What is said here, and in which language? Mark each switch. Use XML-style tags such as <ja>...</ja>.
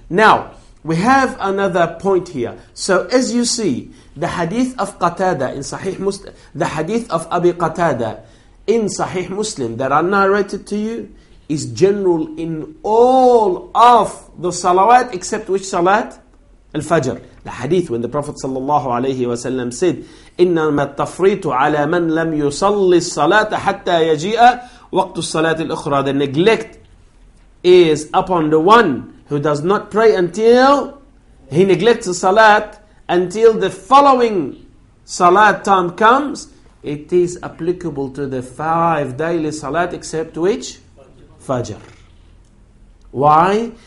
<en>Now, we have another point here. So as you see, the hadith of Qatada in Sahih Muslim, the hadith of Abi Qatada in Sahih Muslim that I narrated to you is general in all of the salawat except which salat?</en> <ar>الفجر. الحديث</ar> <en>when the Prophet</en> <ar>صلى الله عليه وسلم said إنما التفريط على من لم يصلي الصلاة حتى يجيء وقت الصلاة الأخرى.</ar> <en>The neglect is upon the one who does not pray until he neglects the salat until the following salat time comes. It is applicable to the five daily salat except which? Fajr. Why?</en>